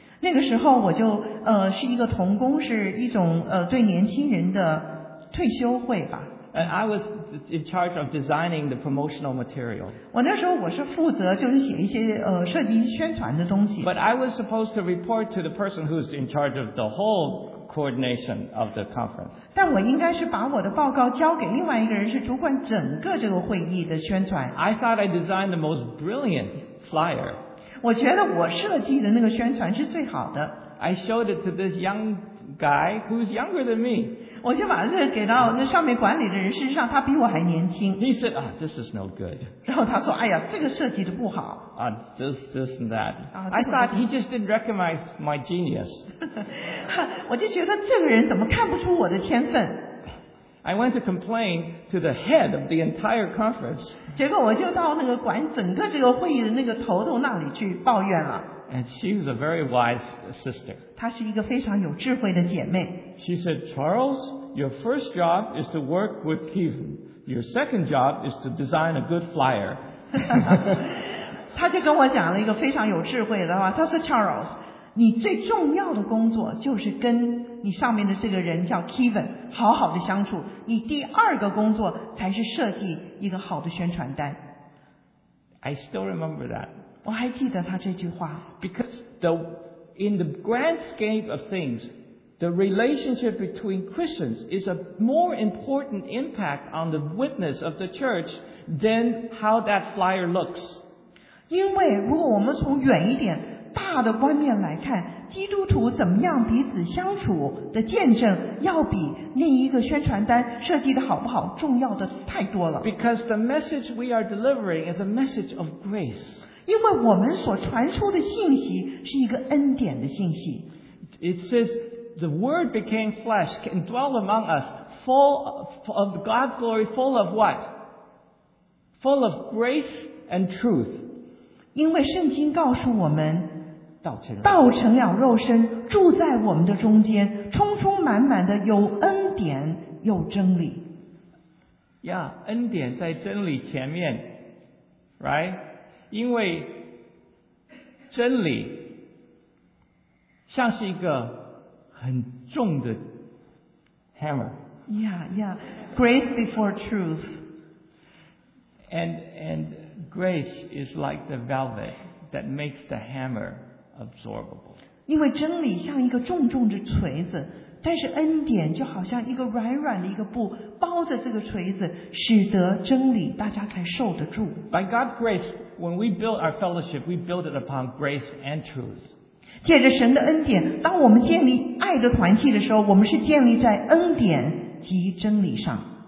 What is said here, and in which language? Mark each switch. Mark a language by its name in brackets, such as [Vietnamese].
[Chinese] 那个时候我就是一个同工，是一种对年轻人的退休会吧。 [English] And I was in charge of designing the promotional material. [Chinese] 我那时候我是负责就是写一些设计宣传的东西。 [English] But I was supposed to report to the person who's in charge of the whole coordination of the conference. [Chinese] 但我应该是把我的报告交给另外一个人，是主管整个这个会议的宣传。 [English] I thought I designed the most brilliant flyer. [Chinese] 我觉得我设计的那个宣传是最好的。 [English] I showed it to this young guy who's younger than me. [Chinese] 我就把这个给到那上面管理的人，事实上他比我还年轻。 [English] He said, "Ah, this is no good." [Chinese] 然后他说，哎呀，这个设计的不好。 [English] Ah, this and that.、啊、 I thought he just didn't recognize my genius. [Chinese] 我就觉得这个人怎么看不出我的天分。 [English] I went to complain to the head of the entire conference. [Chinese] 结果我就到那个管整个这个会议的那个头头那里去抱怨了。 [English] And she's a very wise sister. [Chinese] 她是一个非常有智慧的姐妹。 [English] She said, Charles, your first job is to work with Kevin. Your second job is to design a good flyer. [Chinese] 她就跟我讲了一个非常有智慧的话。她说 ，Charles， 你最重要的工作就是跟你上面的这个人叫 Kevin 好好的相处。你第二个工作才是设计一个好的宣传单。 [English] I still remember that. [Chinese] 我还记得他这句话。 [English] Because in the grand scheme of things, the relationship between Christians is a more important impact on the witness of the church than how that flyer looks. [Chinese] 因为如果我们从远一点大的观念来看，基督徒怎么样彼此相处的见证，要比那一个宣传单设计的好不好重要的太多了。 [English] Because the message we are delivering is a message of grace. [Chinese] 因为我们所传出的信息是一个恩典的信息。 [English] It says the Word became flesh and dwelt among us, full of God's glory, full of what? Full of grace and truth. [Chinese] 因为圣经告诉我们，道成了肉身，住在我们的中间，充充满满的有恩典，有真理。 Yeah, 恩典在真理前面 ，right? 因为真理像是一个很重的 hammer. [English] Yeah, yeah. Grace before truth. And grace is like the velvet that makes the hammer absorbable. [Chinese] 因为真理像一个重重的锤子，但是恩典就好像一个软软的一个布包着这个锤子，使得真理大家才受得住。 [English] By God's grace. When we build our fellowship, we build it upon grace and truth. [Chinese] 借着神的恩典，当我们建立爱的团契的时候，我们是建立在恩典及真理上。